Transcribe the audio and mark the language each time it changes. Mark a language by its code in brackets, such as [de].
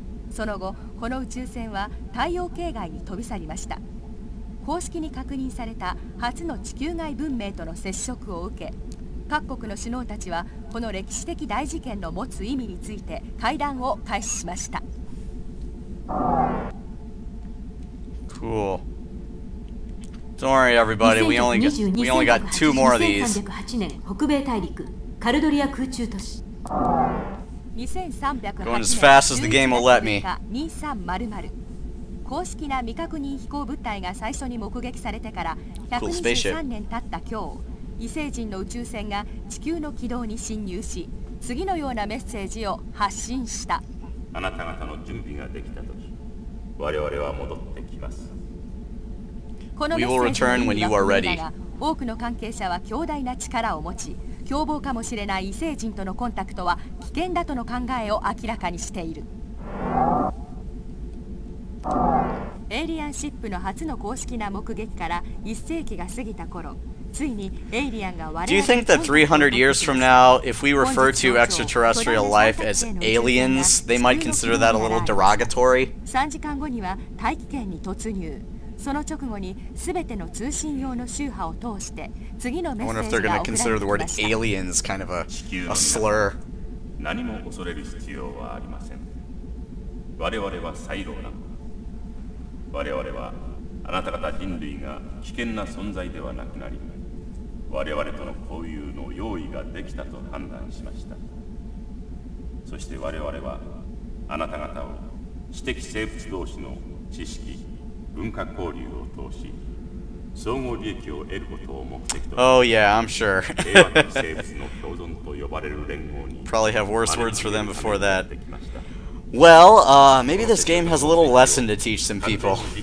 [ja] その後、この宇宙船は太陽系外に飛び去りました。公式に確認された初の地球外文明との接触を受け、各国の首脳たちはこの歴史的大事件の持つ意味について会談を開始しました。 [en] Cool. Don't worry everybody, we only got two more of these. [ja] 2308 年北米大陸カルドリア空中都市。 [en] Going as fast as the game will let me. [ja] 2300公式な未確認飛行物体が最初に目撃されてから123年経った今日、異星人の宇宙船が地球の軌道に侵入し、次のようなメッセージを発信した。あなた方の準備ができたとき、我々は戻ってきます。このメッセージには意味があるが、多くの関係者は強大な力を持ち、凶暴かもしれない異星人とのコンタクトは危険だとの考えを明らかにしている。エイリアンシップの初の公式な目撃から1世紀が過ぎた頃、ついにエイリアンが我々の [en] Do you think that 300 years from now, if we refer to extraterrestrial life as aliens, they might consider that a little derogatory? [ja] 3時間後には大気圏に突入。その直後に全ての通信用の周波を通して次のメッセージが送られてきました。 [en] I wonder if they're going to consider the word aliens kind of a slur. [ja] 何も恐れる必要はありません。我々はサイローなの。我々はあなた方人類が危険な存在ではなくなり、我々との交友の用意ができたと判断しました。そして我々はあなた方を知的生物同士の知識文化交流を通し総合利益を得ることを目的と [en] し、 Oh yeah, I'm sure. [ja] 平和と生物の共存と呼ばれる連合に [en] Probably have worse words for them before that. Well, maybe this game has a little lesson to teach some people.